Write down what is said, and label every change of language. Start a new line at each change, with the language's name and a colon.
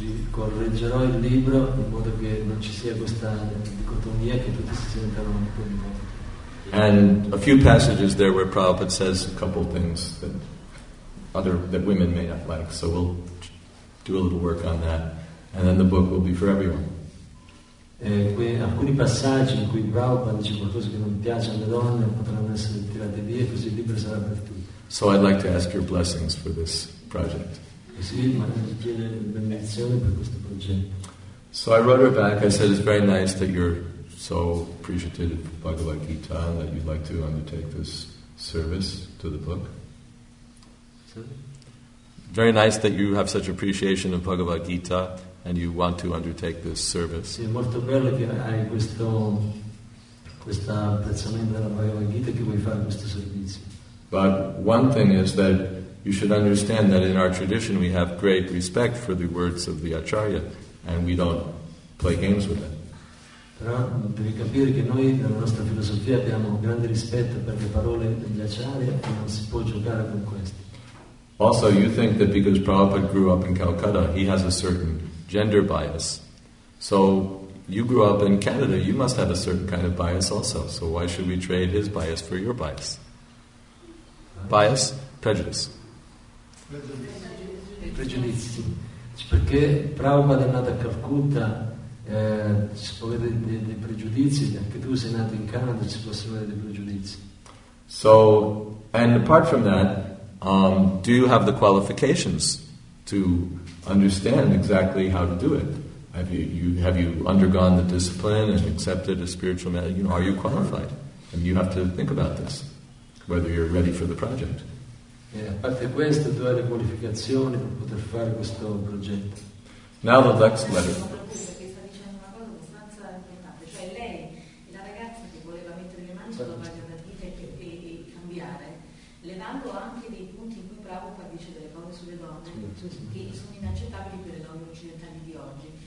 Italian: Correggerò il libro in modo che non ci sia questa dicotomia che tutti si sentano un po' di morte.
English: And a few passages there where Prabhupada says a couple things that that women may not like, so we'll do a little work on that, and then the book will be for everyone.
Italian: Alcuni passaggi in cui Prabhupada dice qualcosa che non piace alle donne potranno essere tirate via, così il libro sarà per tutti.
English: So I'd like to ask your blessings for this project. So I wrote her back. I said, it's very nice that you're so appreciative of Bhagavad Gita and that you'd like to undertake this service to the book. Very nice that you have such appreciation of Bhagavad Gita and you want to undertake this service.
Italian: Sì, molto bello che hai questo apprezzamento della Bhagavad Gita che vuoi fare questo servizio.
English: But one thing is that you should understand that in our tradition we have great respect for the words of the Acharya and we don't play games with it.
Italian: Però devi capire che noi nella nostra filosofia abbiamo grande rispetto per le parole degli Acharya e non si può giocare con queste.
English: Also, you think that because Prabhupada grew up in Calcutta he has a certain gender bias. So you grew up in Canada, you must have a certain kind of bias also. So why should we trade his bias for your bias? Bias? Prejudice.
Italian: Pregiudizi. Perché Prabhupada è nato a Calcutta, ci può avere dei pregiudizi, anche tu sei nato in Canada, ci possono avere dei pregiudizi.
English: So, and apart from that, do you have the qualifications to understand exactly how to do it? Have you undergone the discipline and accepted a spiritual method? You know, are you qualified? And you have to think about this, whether you're ready for the project.
Italian: A parte questo, tu hai le qualificazioni per poter fare questo progetto.
English: Now the next letter.
Italian: Sta dicendo una cosa abbastanza importante, cioè lei, la ragazza che voleva mettere le mani sulla Bhagavad Gita e cambiare, levando anche dei punti in cui Prabhupada dice delle cose sulle donne che sono inaccettabili per le donne occidentali di oggi.